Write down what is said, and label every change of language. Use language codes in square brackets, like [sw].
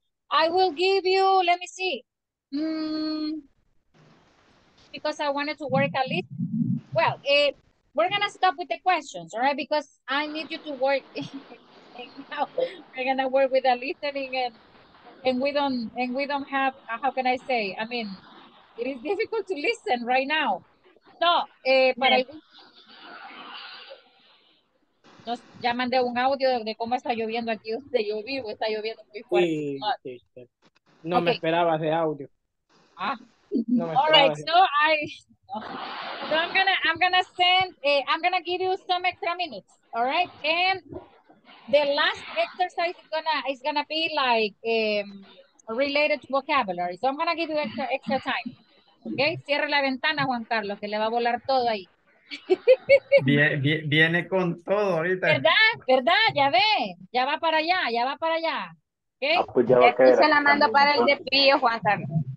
[en] I will give you, let me see, because I wanted to work a little. Well, we're going to stop with the questions, all right, because I need you to work. We're going to work with the listening and we don't have, how can I say, I mean, it is difficult to listen right now. [es] So, para algunos, ya mandé un audio de cómo está lloviendo aquí donde yo vivo. Está lloviendo muy fuerte. Sí, no okay. Me esperaba de audio. [en] Ah. [es] No me esperaba. [en] All right. So I. No. So I'm gonna give you some extra minutes. All right. And the last exercise is gonna be like related to vocabulary. So I'm gonna give you extra time. [es] Okay, cierre la ventana, Juan Carlos, que le va a volar todo ahí. Viene con todo ahorita. ¿Verdad? Ya ve. Ya va para allá. Okay. Ah, pues ya va a caer. Se la mando para el despío, Juan Carlos.